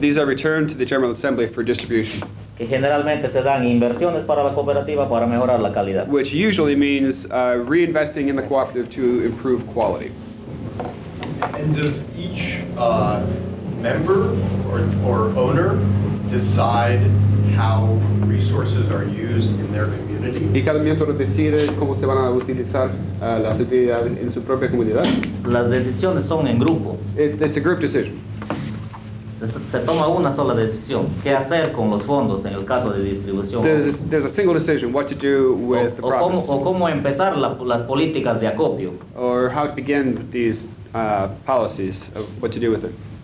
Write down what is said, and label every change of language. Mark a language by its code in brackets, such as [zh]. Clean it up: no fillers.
[en] These are returned to the General Assembly for distribution. [es] Que generalmente se dan inversiones para la cooperativa para mejorar la calidad. [en] Which usually means reinvesting in the cooperative to improve quality. And does each member or owner decide how resources are used in their community? [es] ¿Y cada miembro decide cómo se van a utilizar las actividades en su propia comunidad? Las decisiones son en grupo. [en] It's a group decision. [es] Se toma una sola decisión. ¿Qué hacer con los fondos en el caso de distribución? [en] There's a single decision, what to do with the profits. [es] O cómo empezar las políticas de acopio. [en] Or how to begin these policies, of what to do with it.